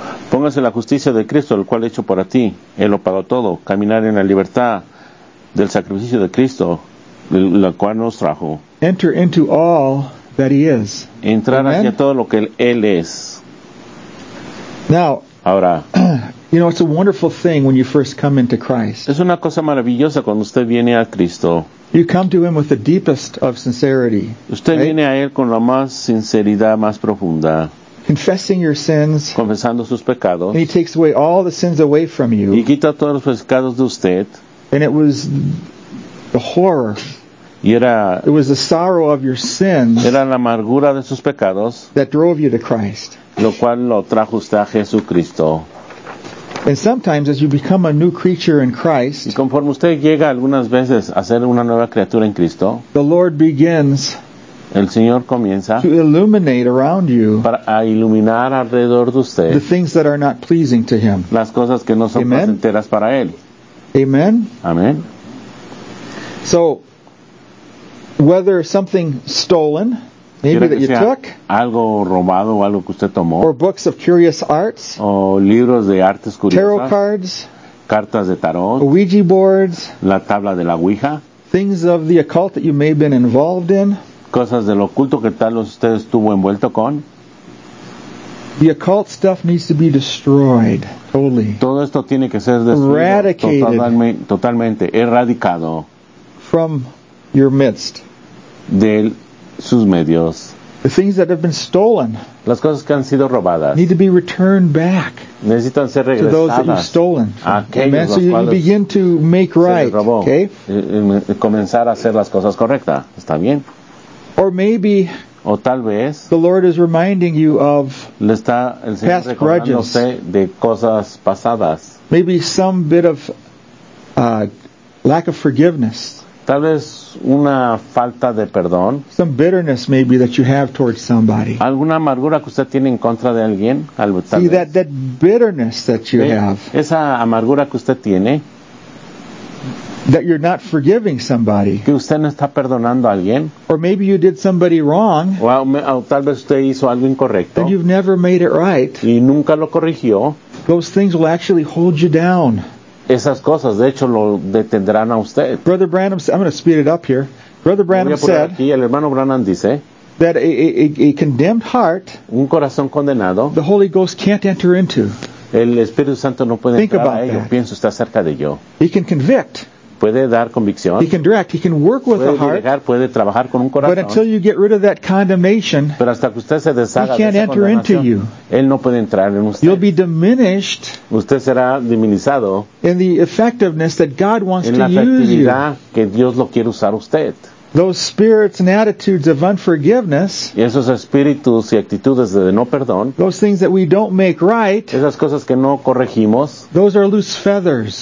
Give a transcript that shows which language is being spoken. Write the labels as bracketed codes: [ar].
[es] Pónganse la justicia de Cristo, el cual hecho para ti. Él lo pagó todo. Caminar en la libertad del sacrificio de Cristo, la cual nos trajo. [en] Enter into all that he is. [es] Entrar Amen. Hacia todo lo que él es. [en] Now, [es] ahora, [en] you know, it's a wonderful thing when you first come into Christ. [es] Es una cosa maravillosa cuando usted viene a Cristo. [en] You come to him with the deepest of sincerity. [es] Usted [en] right? [es] viene a él con la más sinceridad más profunda. [en] Confessing your sins. [es] Confesando sus pecados. [en] And he takes away all the sins away from you. [es] Y quita todos los pecados de usted. [en] And it was the horror. It was the sorrow of your sins. [es] Era la amargura de sus pecados. [en] That drove you to Christ. [es] Lo cual lo trajo usted a Jesucristo. [en] And sometimes, as you become a new creature in Christ, [es] y conforme usted llega algunas veces a ser una nueva criatura en Cristo, [en] the Lord begins. [es] El Señor comienza [en] to illuminate around you [es] para a iluminar alrededor de usted [en] the things that are not pleasing to Him. [es] Las cosas que no son placenteras para él. [en] Amen. [es] Amen. [en] So, whether something stolen, maybe that you took, [es] algo robado o algo que usted tomó, [en] or books of curious arts, [es] o libros de artes curiosas, [en] tarot cards, [es] cartas de tarot, [en] Ouija boards, [es] la tabla de la Ouija, [en] things of the occult that you may have been involved in, [es] cosas del oculto que tal usted estuvo envuelto con. [en] The occult stuff needs to be destroyed totally. [es] Todo esto tiene que ser destruido. [en] Eradicated [es] totalmente, erradicado. [en] From your midst. [es] De sus medios. [en] The things that have been stolen. [es] Las cosas que han sido robadas. [en] Need to be returned back. [es] Necesitan ser regresadas. [en] To those that you've stolen. [es] Aquellos [en] so you begin to make right. [es] Robó, [en] okay? [es] Comenzar a hacer las cosas correctas. Está bien. [en] Or maybe. [es] O tal vez [en] the Lord is reminding you of [es] le está el Señor [en] past grudges. [es] De cosas pasadas. [en] Maybe some bit of lack of forgiveness. [es] Tal vez una falta de perdón. [en] Some bitterness maybe that you have towards somebody. [es] Alguna amargura que usted tiene en contra de alguien. [en] That bitterness that you have. [es] Esa amargura que usted tiene. [en] That you're not forgiving somebody. [es] Que usted no está perdonando a alguien. [en] Or maybe you did somebody wrong. [es] O tal vez usted hizo algo incorrecto. [en] And you've never made it right. [es] Y nunca lo corrigió. [en] Those things will actually hold you down. [es] Esas cosas, de hecho, lo detendrán a usted. [en] Brother Branham, I'm going to speed it up here. Brother Branham said. [es] Aquí, el hermano Branham dice. [en] That a condemned heart. [es] Un corazón condenado. [en] The Holy Ghost can't enter into. [es] El Espíritu Santo no puede [en] Think [es] entrar a ello. Pienso usted acerca de ello. [en] He can convict. [es] Puede dar convicción. [en] He can direct. He can work with [es] puede [en] a heart. [es] Dirigir, puede trabajar con un corazón. [en] But until you get rid of that condemnation. [es] Pero hasta que usted se deshaga [en] he can't [es] de esa [en] enter into you. [es] Él no puede entrar en usted. [en] You'll be diminished. [es] Usted será diminizado. [en] In the effectiveness that God wants [es] en la [en] to use you. [es] Que Dios lo quiere usar usted. [en] Those spirits and attitudes of unforgiveness. [es] Y esos espíritus y actitudes de no perdón. [en] Those things that we don't make right. [es] Esas cosas que no corregimos. [en] Those are loose feathers.